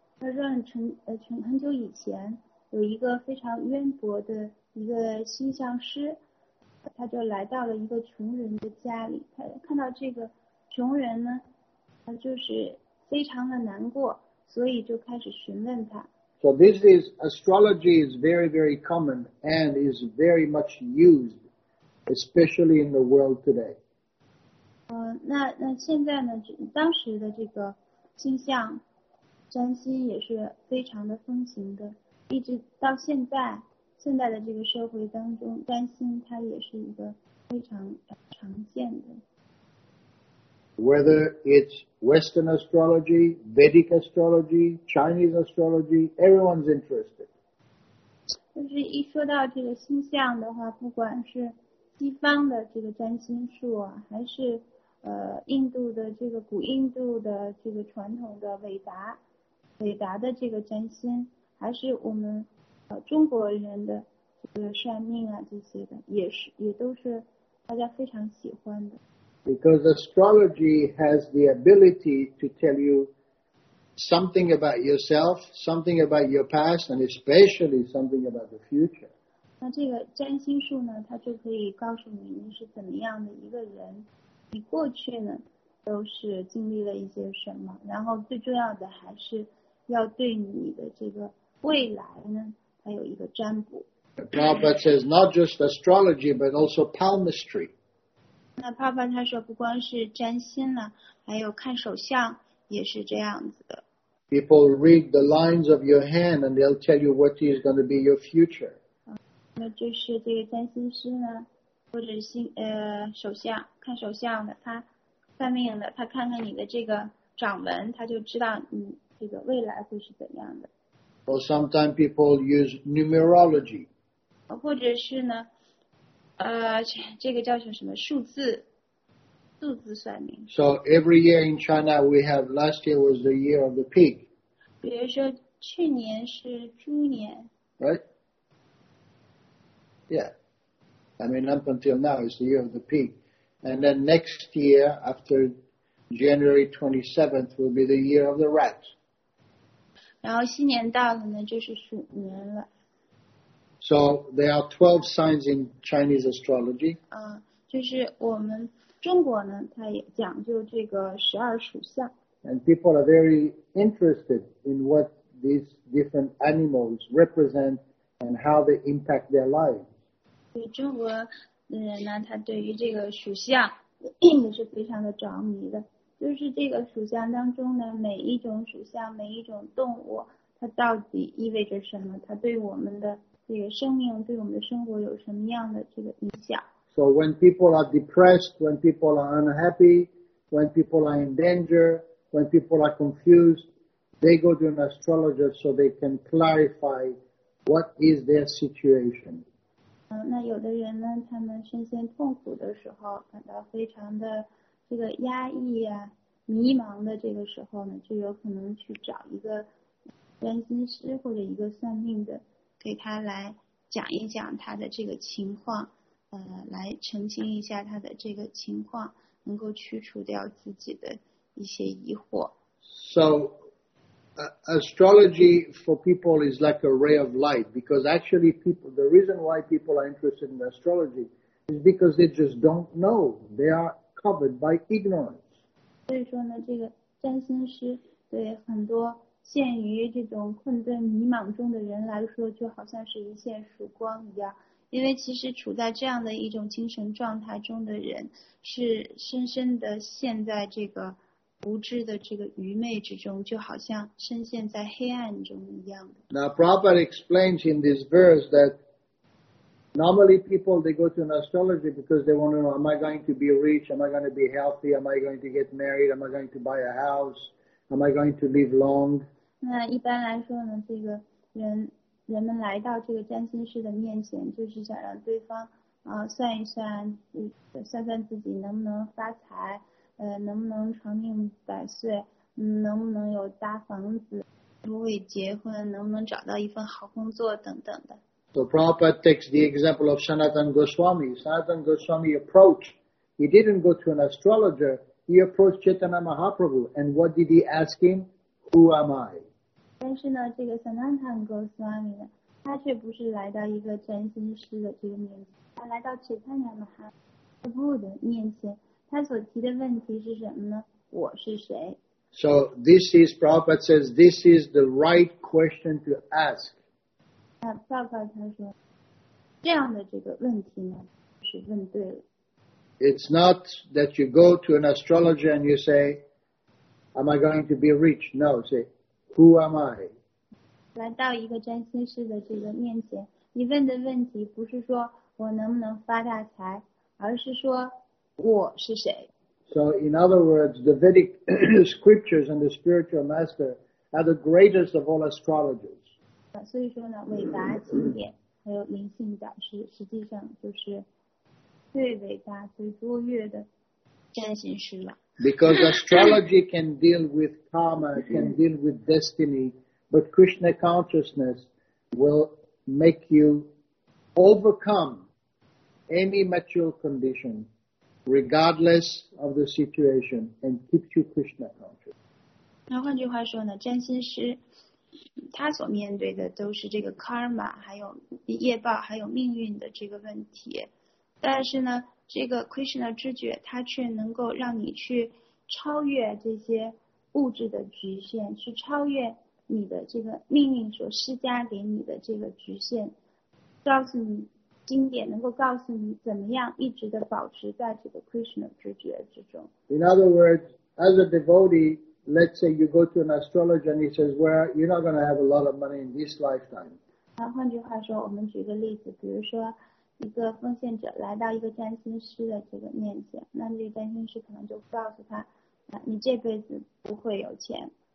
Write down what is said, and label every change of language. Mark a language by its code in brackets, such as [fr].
[zh] 他说很久以前有一个非常渊博的一个星象师，他就来到了一个穷人的家里。他看到这个穷人呢，他就是非常的难过，所以就开始询问他。 [en] So this is astrology is very, very common and is very much used. Especially in the world today. [zh] 那现在呢，当时的这个星象占星也是非常的风行的，一直到现在的这个社会当中，占星它也是一个非常常见的。 [en] Whether it's Western astrology, Vedic astrology, Chinese astrology, everyone's interested. [zh] 就是一说到这个星象的话，不管是西方的这个占星术啊，还是印度的这个古印度的这个传统的韦达的这个占星，还是我们中国人的这个算命啊，这些的也都是大家非常喜欢的。 [en] Because astrology has the ability to tell you something about yourself, something about your past, and especially something about the future. [zh] 那这个占星术呢，它就可以告诉你你是怎么样的一个人，你过去呢都是经历了一些什么，然后最重要的还是要对你的这个未来呢，它有一个占卜。 [en] Prabhupada says not just astrology, but also palmistry. [zh] 那 Prabhupada 他说不光是占星呢，还有看手相也是这样子的。 [en] People read the lines of your hand, and they'll tell you what is going to be your future. [zh] 那就是这个占星师呢，或者手相，看手相的，他算命的，他看看你的这个掌纹，他就知道你这个未来会是怎样的。 [en] Or sometimes people use numerology. [zh] 或者是呢，这个叫什么数字算命。 [en] So every year in China we have, last year was the year of the pig. [zh] 比如说去年是猪年。 [en] Right? Yeah, I mean up until now it's the year of the pig, and then next year after January 27th will be the year of the rat. [zh] 然后新年到了呢，就是鼠年了。 [en] So there are 12 signs in Chinese astrology. [zh] 就是我们中国呢，它也讲究这个十二属相。 [en] And people are very interested in what these different animals represent and how they impact their lives. [zh] 对中国的人呢，他对于这个属相也是非常的着迷的。就是这个属相当中的每一种属相每一种动物它到底意味着什么它对我们的这个生命对我们的生活有什么样的这个影响 [en] So when people are depressed, when people are unhappy, when people are in danger, when people are confused, they go to an astrologer so they can clarify what is their situation. [zh] 那有的人呢他们身陷痛苦的时候感到非常的这个压抑啊迷茫的这个时候呢就有可能去找一个占星师或者一个算命的给他来讲一讲他的这个情况来澄清一下他的这个情况能够去除掉自己的一些疑惑 [en] So, astrology for people is like a ray of light because actually people, the reason why people are interested in astrology is because they just don't know. They are covered by ignorance. [zh] 所以说呢这个占星师对很多陷于这种困顿迷茫中的人来说就好像是一线曙光一样因为其实处在这样的一种精神状态中的人是深深的陷在这个无知的这个愚昧之中就好像深陷在黑暗中一样的 [en] Now Prabhupada explains in this verse that normally people they go to an astrology because they want to know am I going to be rich, am I going to be healthy, am I going to get married, am I going to buy a house, am I going to live long [zh] 那一般来说呢这个人们来到这个占星师的面前就是想让对方算一算算算自己能不能发财能不能长命百岁能不能有大房子会不会结婚能不能找到一份好工作等等的 [en] So Prabhupada takes the example of Sanatana Goswami Sanatana Goswami approached he didn't go to an astrologer he approached Chaitanya Mahaprabhu and what did he ask him who am I [zh] 但是呢这个 Sanatana Goswami 呢他却不是来到一个占星师的这个面前他来到 Chaitanya Mahaprabhu 的面前他所提的问题是什么呢？我是谁 [en] ？So this is Prabhupada says this is the right question to ask. [zh] 那Prabhupada他说，这样的这个问题呢，是问对了。 [en] It's not that you go to an astrologer and you say, "Am I going to be rich?" No, say, "Who am I?" [zh] 来到一个占星师的这个面前，你问的问题不是说我能不能发大财，而是说。我是谁 [en] So in other words, the Vedic scriptures and the spiritual master are the greatest of all astrologers. [zh] 所以说呢，伟达经典还有灵性导师，实际上就是最伟大、最卓越的占星师了。 [en] Because astrology can deal with karma, can deal with destiny, but Krishna consciousness will make you overcome any material condition. Regardless of the situation, and keeps you Krishna conscious. [zh] 那换句话说呢，占星师他所面对的都是这个 karma， 还有业报，还有命运的这个问题。但是呢，这个 Krishna 知觉，它却能够让你去超越这些物质的局限，去超越你的这个命运所施加给你的这个局限，告诉你。经典能够告诉你怎么样一直的保持在这个 Krishna 知觉之中。 [en] In other words, as a devotee, let's say you go to an astrologer and he says, "Well, you're not going to have a lot of money in this lifetime." [zh] 那换句话说，我们举个例子，比如说一个奉献者来到一个占星师的这个面前，那这个占星师可能就告诉他，你这辈子不会有钱。